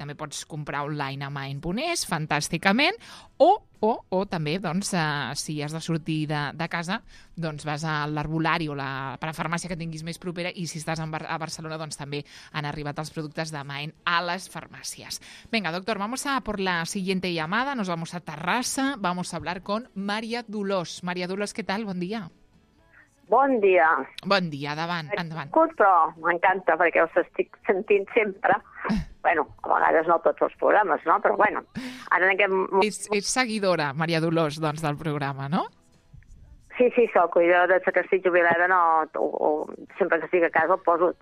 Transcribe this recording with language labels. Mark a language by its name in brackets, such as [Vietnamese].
[Catalan] També pots comprar online a mind.es, fantàsticament. O també, doncs, si has de sortir de casa, doncs vas a l'herbolari o per la farmàcia que tinguis més propera i si estàs a Barcelona, doncs també han arribat els productes de Mind a les farmàcies. [Spanish] Vinga, doctor, vamos a por la siguiente llamada. Nos vamos a Terrassa. Vamos a hablar con María Dolors. María Dolors, ¿qué tal? [Catalan] Bon dia. Bon dia. Bon dia, davant, endavant. Però m'encanta perquè us estic sentint sempre. Bueno, a vegades no tots els programes, no? Però bueno, ara en aquest moment... És seguidora, Maria Dolors, doncs, del programa, no? Sí, sí, soc. Jo des que estic jubilada, no, o sempre que estic a casa, el poso.